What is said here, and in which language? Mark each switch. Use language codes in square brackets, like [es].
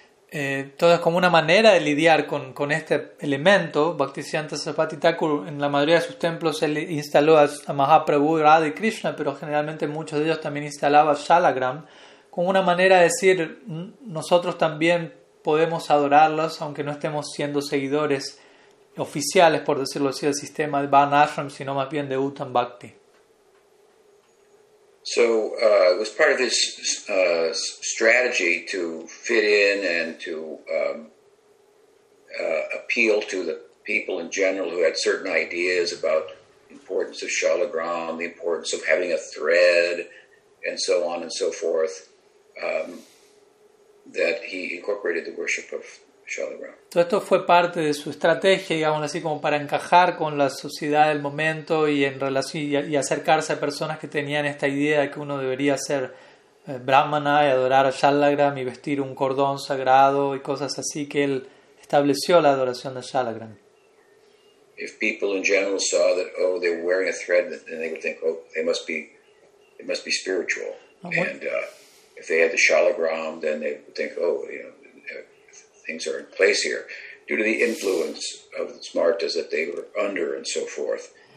[es] Entonces, como una manera de lidiar con este elemento, Bhaktisiddhanta Saraswati Thakur en la mayoría de sus templos él instaló a Mahaprabhu, Radha y Krishna, pero generalmente muchos de ellos también instalaba Shalagram, como una manera de decir, nosotros también podemos adorarlos, aunque no estemos siendo seguidores oficiales, por decirlo así, del sistema de Varnashram, sino más bien de Uttam Bhakti. [en] So, it was part of his strategy to fit in and to appeal to the people in general who had certain ideas about the importance of Shalagram, the importance of having a thread, and so on and so forth, that he incorporated the worship of Shalagram. [es] Todo esto fue parte de su estrategia, digamos así, como para encajar con la sociedad del momento y en relación y acercarse a personas que tenían esta idea de que uno debería ser brahmana y adorar a Shalagram y vestir un cordón sagrado y cosas así, que él estableció la adoración de Shalagram. [en] If people in general saw that, oh, they're wearing a thread, then they would think, oh, it must be spiritual. Okay. And if they had the Shalagram, then they would think, oh, you know, things are in place here due to the influence of the Smartas that they were under and so forth.